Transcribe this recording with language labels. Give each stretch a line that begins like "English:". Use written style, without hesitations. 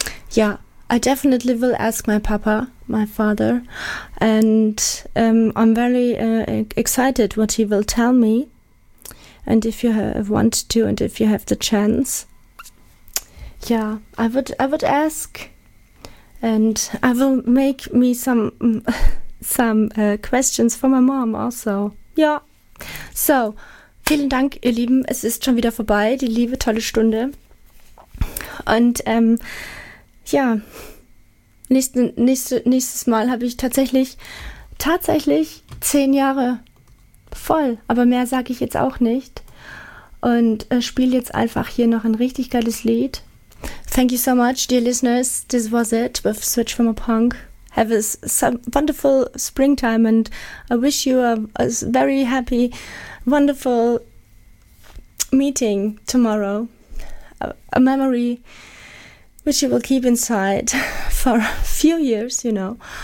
English: Yeah, I definitely will ask my papa, my father, and I'm very excited what he will tell me. And if you want to, and if you have the chance, yeah, I would ask, and I will make me some questions for my mom also.
German: Ja, so, vielen Dank, ihr Lieben. Es ist schon wieder vorbei, die liebe, tolle Stunde. Und ja, nächstes Mal habe ich tatsächlich 10 Jahre voll. Aber mehr sage ich jetzt auch nicht. Und spiele jetzt einfach hier noch ein richtig geiles Lied.
English: Thank you so much, dear listeners. This was it with Switch from a Punk. Have a wonderful springtime and I wish you a very happy, wonderful meeting tomorrow. A memory which you will keep inside for a few years, you know.